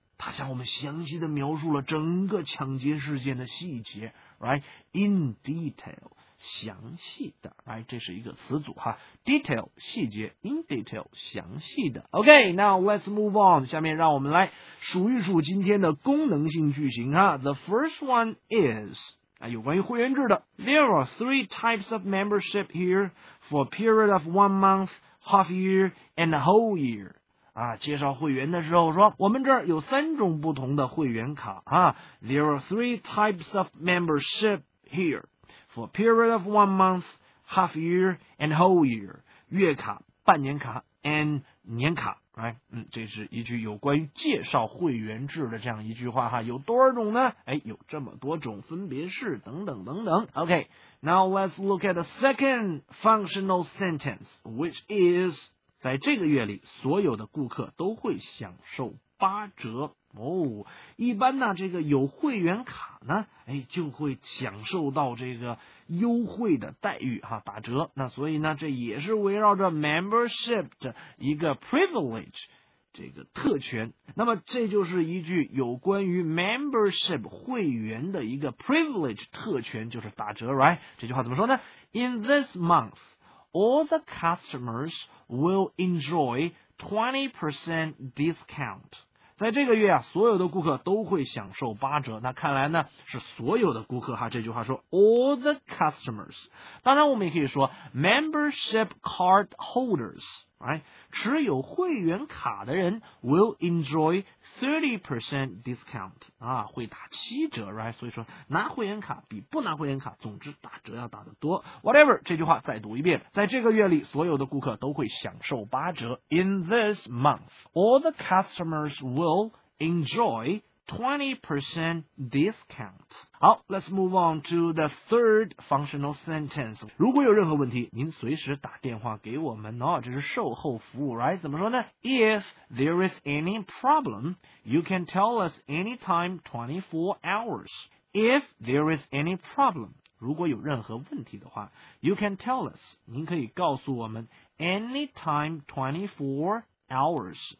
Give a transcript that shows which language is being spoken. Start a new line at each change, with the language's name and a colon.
Chinese: 他向我们详细的描述了整个抢劫事件的细节
English: right in detail
Chinese: 详细的
English: right
Chinese: 这是一个词组哈
English: detail 细节 in detail 详细的 OK now let's move on
Chinese: 下面让我们来数一数今天的功能性句型哈
English: the first one is
Chinese: 啊有关于会员制的
English: there are three types of membership here for a period of one month half year and a whole year
Chinese: 啊，介绍会员的时候说，我们这儿有三种不同的会员卡啊。
English: There are three types of membership here. For a period of 1 month, half year, and whole year.
Chinese: 月卡、半年卡 and 年卡。Right? 嗯，这是一句有关于介绍会员制的这样一句话哈。有多少种呢？哎，有这么多种，分别是等等等等。
English: OK, now let's look at the second functional sentence, which is...
Chinese: 在这个月里所有的顾客都会享受八折哦。一般呢这个有会员卡呢哎就会享受到这个优惠的待遇哈、啊、打折。那所以呢这也是围绕着 membership 的一个 privilege, 这个特权。那么这就是一句有关于 membership 会员的一个 privilege 特权，就是打折 ,right? 这句话怎么说呢？
English: In this month,All the customers will enjoy 20% discount.
Chinese: 在这个月啊，所有的顾客都会享受八折。那看来呢，是所有的顾客哈。这句话说
English: all the customers.
Chinese: 当然，我们也可以说
English: membership card holders, right?
Chinese: 持有会员卡的人
English: will enjoy 30% discount.
Chinese: 啊，会打七折 ，right? 所以说，拿会员卡比不拿会员卡，总之打折要打得多。 Whatever, 这句话再读一遍。在这个月里，所有的顾客都会享受八折。
English: In this month, all the customers will enjoy 20% discount. 好 ,let's move on to the third functional sentence.
Chinese: 如果有任何问题您随时打电话给我们哦，这是售后服务 ,right? 怎么说呢
English: ?If there is any problem, you can tell us anytime 24 hours. If there is any problem,
Chinese: 如果有任何问题的话
English: ,you can tell us,
Chinese: 您可以告诉我们
English: anytime 24 hours.